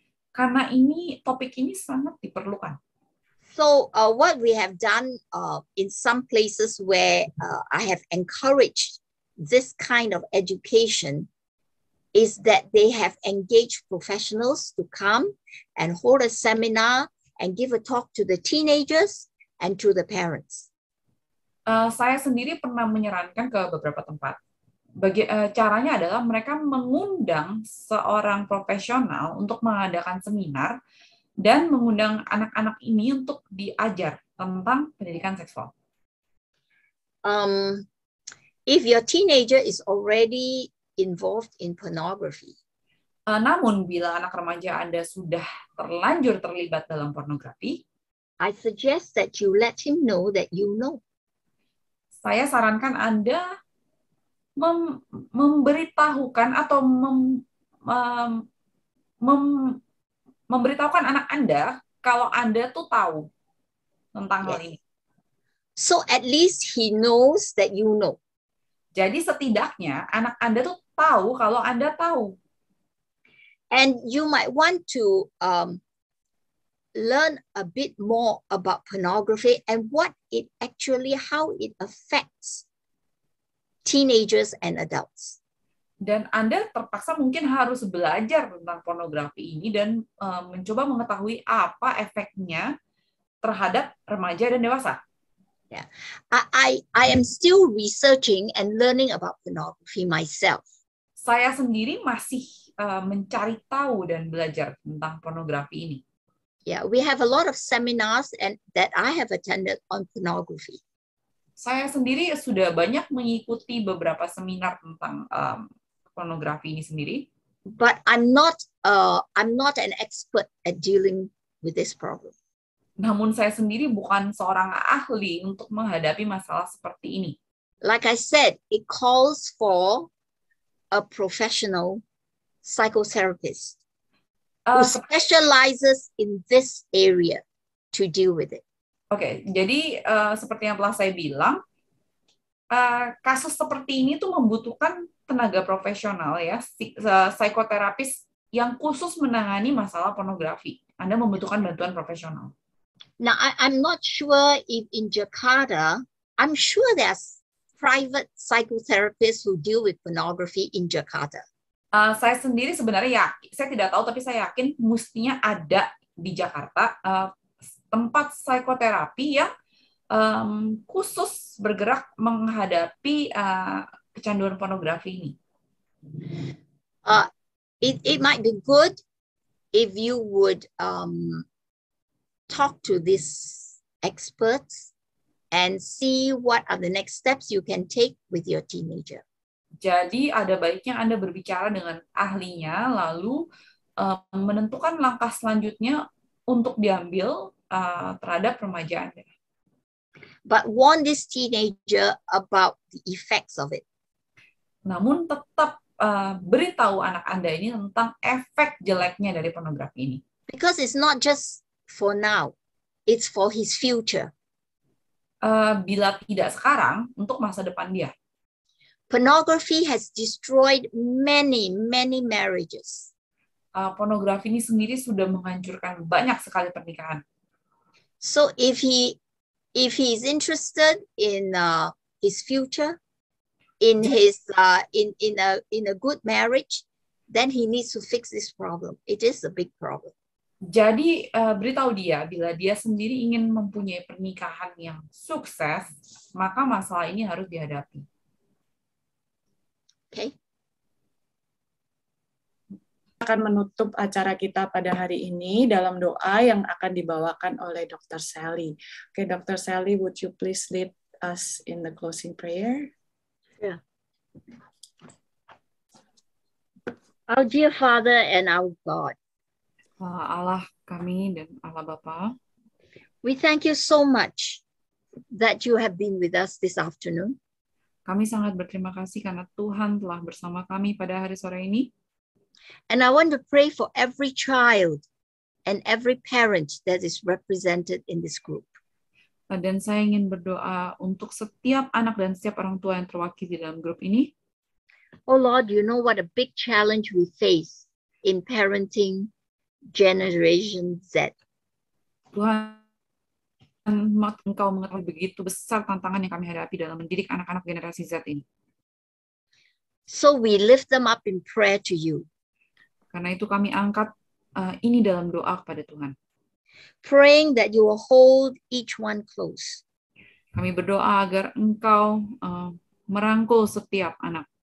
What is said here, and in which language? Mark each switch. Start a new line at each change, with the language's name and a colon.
Indonesian: Karena ini topik ini sangat diperlukan.
English: So what we have done in some places where I have encouraged this kind of education is that they have engaged professionals to come and hold a seminar and give a talk to the teenagers and to the parents.
Indonesian: Saya sendiri pernah menyarankan ke beberapa tempat. Caranya adalah mereka mengundang seorang profesional untuk mengadakan seminar dan mengundang anak-anak ini untuk diajar tentang pendidikan seksual.
English: If your teenager is already involved in pornography.
Indonesian: Namun bila anak remaja Anda sudah terlanjur terlibat dalam pornografi,
English: I suggest that you let him know that you know.
Indonesian: Saya sarankan Anda memberitahukan atau memberitahukan anak Anda kalau Anda tuh tahu tentang hal ini.
English: So at least he knows that you know.
Indonesian: Jadi setidaknya anak Anda tuh tahu kalau Anda tahu.
English: And you might want to learn a bit more about pornography and what it actually how it affects teenagers and adults.
Indonesian: Dan Anda terpaksa mungkin harus belajar tentang pornografi ini dan mencoba mengetahui apa efeknya terhadap remaja dan dewasa.
English: Yeah. I am still researching and learning about pornography myself.
Indonesian: Saya sendiri masih mencari tahu dan belajar tentang pornografi ini.
English: Yeah, we have a lot of seminars and that I have attended on pornography.
Indonesian: Saya sendiri sudah banyak mengikuti beberapa seminar tentang pornografi ini sendiri.
English: But I'm not an expert at dealing with this problem.
Indonesian: Namun saya sendiri bukan seorang ahli untuk menghadapi masalah seperti ini.
English: Like I said, it calls for a professional psychotherapist who specializes in this area to deal with it.
Indonesian: Okay, jadi seperti yang telah saya bilang, kasus seperti ini tuh membutuhkan tenaga profesional ya, psikoterapis yang khusus menangani masalah pornografi. Anda membutuhkan bantuan profesional.
English: Now, I'm not sure if in Jakarta, I'm sure there's private psychotherapists who deal with pornography in Jakarta.
Indonesian: Saya sendiri sebenarnya yakin, saya tidak tahu, tapi saya yakin mestinya ada di Jakarta tempat psikoterapi yang khusus bergerak menghadapi kecanduan pornografi ini.
English: It might be good if you would talk to this expert and see what are the next steps you can take with your teenager.
Indonesian: Jadi ada baiknya Anda berbicara dengan ahlinya, lalu menentukan langkah selanjutnya untuk diambil terhadap remaja Anda.
English: But warn this teenager about the effects of it.
Indonesian: Namun tetap beritahu anak Anda ini tentang efek jeleknya dari pornografi ini.
English: Because it's not just for now, it's for his future.
Indonesian: Bila tidak sekarang, untuk masa depan dia.
English: Pornography has destroyed many, many marriages.
Indonesian: Pornografi ini sendiri sudah menghancurkan banyak sekali pernikahan.
English: So if he is interested in his future, in his in a good marriage, then he needs to fix this problem. It is a big problem.
Indonesian: Jadi beritahu dia bila dia sendiri ingin mempunyai pernikahan yang sukses, maka masalah ini harus dihadapi.
English: Okay.
Indonesian: Akan menutup acara kita pada hari ini dalam doa yang akan dibawakan oleh Dr.
English: Sally. Okay, Dr. Sally, would you please lead us in the closing prayer? Yeah. Our dear Father and our God.
Indonesian: Allah kami dan Allah Bapa.
English: We thank you so much that you have been with us this afternoon.
Indonesian: Kami sangat berterima kasih karena Tuhan telah bersama kami pada hari sore ini.
English: And I want to pray for every child and every parent that is represented in this group.
Indonesian: Dan saya ingin berdoa untuk setiap anak dan setiap orang tua yang terwakili dalam grup ini.
English: Oh Lord, you know what a big challenge we face in parenting Generation Z.
Indonesian: Tuhan, Engkau mengetahui begitu besar tantangan yang kami hadapi dalam mendidik anak-anak generasi Z ini.
English: So we lift them up in prayer to you.
Indonesian: Karena itu kami angkat ini dalam doa kepada Tuhan.
English: Praying that you will hold each one close.
Indonesian: Kami berdoa agar Engkau merangkul setiap anak.